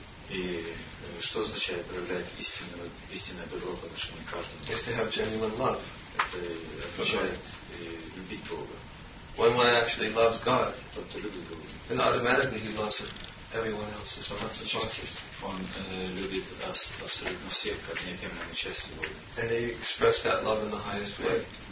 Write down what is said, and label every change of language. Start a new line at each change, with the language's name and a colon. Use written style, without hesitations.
Russian: И что означает проявлять истинное добро по отношению к каждому?
English: Is to have genuine love.
Russian: Это означает любить Бога.
English: When one actually loves God, then automatically he loves everyone else as well. That's the truth.
Russian: Он любит абсолютно всех как неотъемлемую часть его.
English: And he expresses that love in the highest way.